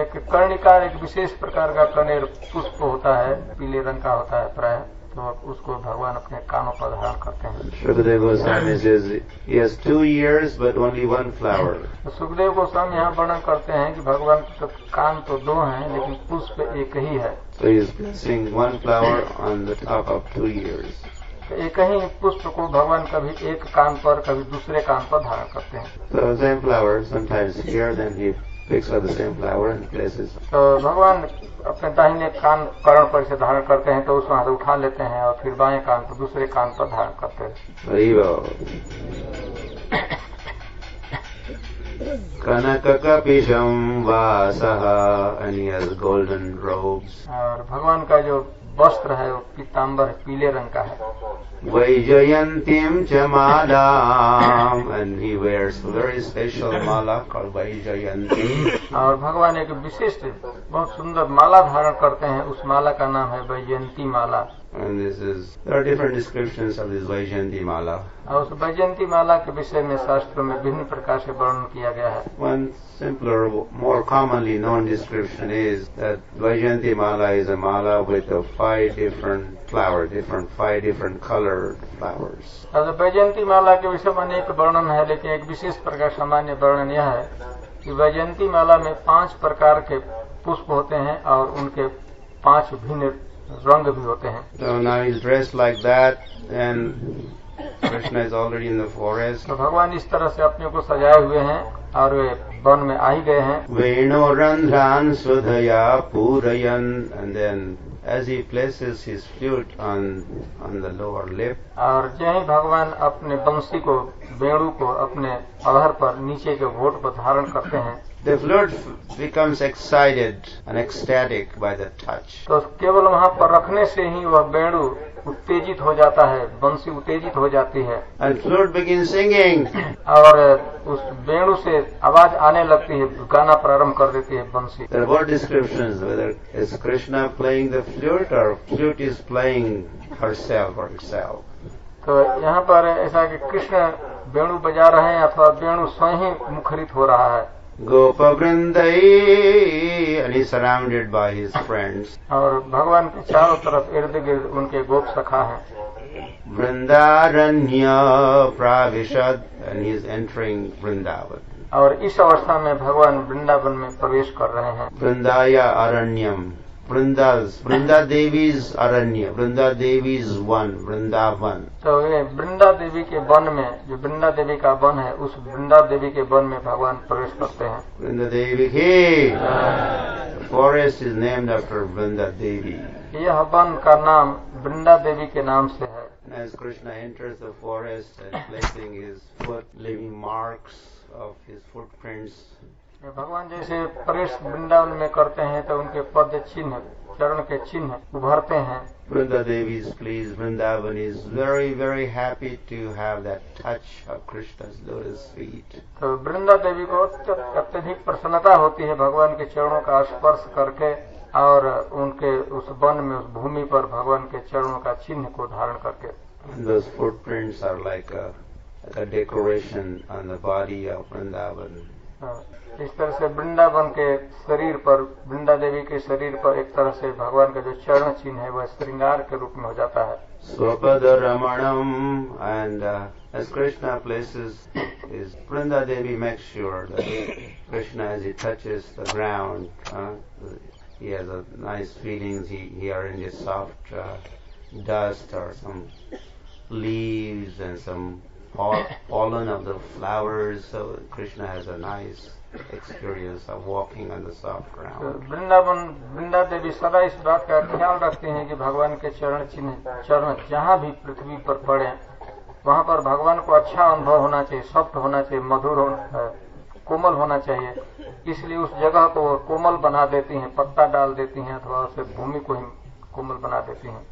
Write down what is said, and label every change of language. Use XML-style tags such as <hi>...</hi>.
<hi>एक कर्णिकार एक विशेष प्रकार का कनेर पुष्प होता है, पीले रंग का होता है प्राय, तो उसको भगवान अपने कानों पर धारण करते हैं।</hi> <en>Sukhdev Goswami says he has two years but only one flower.</en> <hi>Sukhdev Goswami यहाँ वर्णन करते हैं कि भगवान के कान तो दो हैं लेकिन पुष्प एक ही है।</hi> <en>So he is blessing one flower on the top of two ears.</en> <hi>एक ही पुष्प को भगवान कभी एक कान पर कभी दूसरे कान पर धारण करते हैं।</hi> <en>So the same flower sometimes here, then he picks up the same flower and places.</en> <hi>तो भगवान अपने दाहिने कान कर्ण पर से धारण करते हैं, तो उसमें हाथ उठा लेते हैं और फिर बाएं कान पर दूसरे कान पर धारण करते हैं।</hi> <sa>कनक कपिशम वासः</sa> <en>And he has golden robes.</en> <hi>और भगवान का जो वस्त्र है वो पीतांबर पीले रंग का है।</hi> <sa>वैजयंतीम च मालाम</sa> <en>And he wears very special mala called Vaijayanti.</en> <hi>और भगवान एक विशिष्ट बहुत सुंदर माला धारण करते हैं, उस माला का नाम है वैजयंती माला।</hi> <en>And this is there are different descriptions of this Vaijayanti mala.</en> <hi>उस वैजयंती माला के विषय में शास्त्र में विभिन्न प्रकार से वर्णन किया गया है।</hi> <en>One simpler, more commonly known description is that Vaijayanti mala is a mala with a five different flower, different five different colored flowers.</en> <hi>अब वैजयंती माला के विषय में अनेक वर्णन है, लेकिन एक विशेष प्रकार सामान्य वर्णन यह है कि वैजयंती माला में पांच प्रकार के पुष्प होते हैं और उनके पांच भिन्न रंग भी होते हैं।</hi> <en>So now he's dressed like that and Krishna is already in the forest.</en> <hi>तो भगवान इस तरह से अपने को सजाए हुए हैं और वे वन में आ ही गए हैं।</hi> <sa>वेणोरंध्रान सुधया पूरयन</sa> <en>And then as he places his flute on the lower lip.</en> <hi>और जय ही भगवान अपने बंसी को वेणु को अपने अधर पर नीचे के होंठ पर धारण करते हैं।</hi> <en>The flute becomes excited and ecstatic by the touch.</en> <hi>तो केवल वहाँ पर रखने से ही वह वेणु उत्तेजित हो जाता है, बंसी उत्तेजित हो जाती है।</hi> <en>And flute begins singing.</en> <hi>और उस वेणु से आवाज आने लगती है, गाना प्रारंभ कर देती है बंसी।</hi> <en>There are more descriptions whether is Krishna playing the flute or flute is playing herself or itself.</en> <hi>तो यहाँ पर ऐसा कि कृष्ण वेणु बजा रहे हैं अथवा वेणु स्वयं ही मुखरित हो रहा है।</hi> <sa>गोप वृंदई</sa> <en>And he surrounded by his friends.</en> <hi>और भगवान के चारों तरफ इर्द गिर्द उनके गोप सखा हैं।</hi> <sa>वृंदारण्य प्राविशद</sa> <en>And he is entering Vrindavan.</en> <hi>और इस अवस्था में भगवान वृंदावन में प्रवेश कर रहे हैं।</hi> <sa>वृंदाया अरण्यम</sa> <en>Vrinda Devi is aranya, Vrinda Devi is van Vrindavan.</en> <hi>तो ये वृंदा देवी के वन में, जो वृंदा देवी का वन है, उस वृंदा देवी के वन में भगवान प्रवेश करते हैं।</hi> <en>Vrinda Devi her forest is named after Vrinda Devi.</en> <hi>यह वन का नाम वृंदा देवी के नाम से है।</hi> <en>As Krishna enters the forest and placing his foot, leaving marks of his footprints.</en> <hi>भगवान जैसे प्रवेश वृंदावन में करते हैं तो उनके पद चिन्ह चरण के चिन्ह उभरते हैं।</hi> <en>Vrinda Devi is please Vrindavan is very very happy to have that touch of Krishna's lotus feet.</en> <hi>तो वृंदा देवी को अत्यधिक प्रसन्नता होती है भगवान के चरणों का स्पर्श करके और उनके उस वन में उस भूमि पर भगवान के चरणों का चिन्ह को धारण करके।</hi> <en>Those footprints are like a decoration on the body of Vrindavan.</en> <hi>इस तरह से वृंदावन के शरीर पर, वृंदा देवी के शरीर पर एक तरह से भगवान का जो चरण चिन्ह है वह श्रृंगार के रूप में हो जाता है।</hi> <sa>स्वपद रमणम</sa> <en>And as Krishna places is Vrinda Devi make sure that Krishna as he touches the ground he has a nice feelings he are in this soft dust और some leaves and some pollen of the flowers, so Krishna has a nice experience of walking on the soft ground.</en> <hi>Vrindavan, Vrinda Devi sada is baat ka khyal rakhte hain ki Bhagwan ke charan chinh charan jahan bhi prithvi par pade वहाँ पर भगवान को अच्छा अनुभव होना चाहिए, soft होना चाहिए, मधुर कोमल होना चाहिए, इसलिए उस जगह को कोमल बना देती हैं, पत्ता डाल देती हैं अथवा उसे भूमि को ही कोमल बना देती हैं।</hi>